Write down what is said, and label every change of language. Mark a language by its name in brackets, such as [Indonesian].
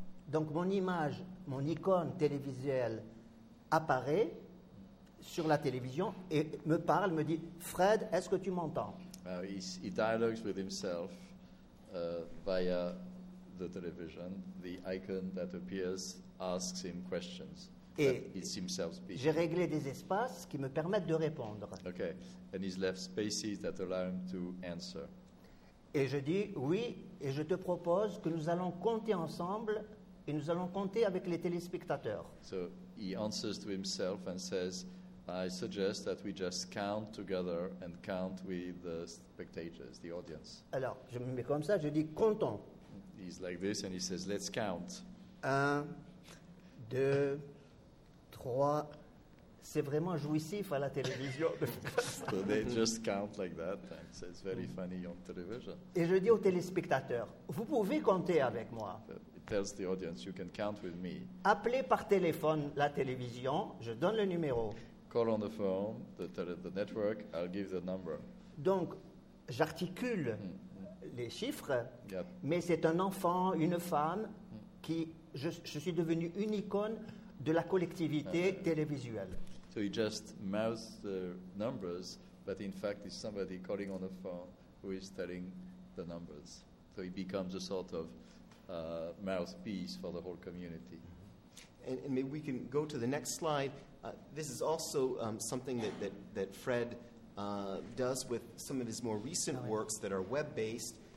[French] Donc mon image, mon icône télévisuelle apparaît sur la télévision et me parle, me dit, Fred, est-ce que tu m'entends? [English] He dialogues with himself via the television. The icon that appears asks him questions. Et it's himself speaking. [French] J'ai réglé des espaces qui me permettent de répondre. [English] Okay, and he's left spaces that allow him to answer. [French] Et je dis oui, et je te propose que nous allons compter ensemble et nous allons compter avec les téléspectateurs. [English] So he answers to himself and says, I suggest that we just count together and count with the spectators, the audience. [French] Alors, je me mets comme ça, je dis comptons. [English] He's like this and he says, let's count. [French] Un, deux, trois. C'est vraiment jouissif à la télévision. [English] So they just count like that and say it's very funny on television. [French] Et je dis aux téléspectateurs, vous pouvez compter avec moi. [English] It tells the audience, you can count with me. [French] Appelez par téléphone la télévision, je donne le numéro. [English] Call on the phone, the network, I'll give the number. [French] Donc, j'articule les chiffres, mais c'est un enfant, une femme, qui je suis devenu une icône de la collectivité télévisuelle. [English] So he just mouths the numbers, but in fact it's somebody calling on the phone who is telling the numbers. So he becomes a sort of mouthpiece for the whole community. And maybe we can go to the next slide. This is also something that Fred does with some of his more recent works that are web-based.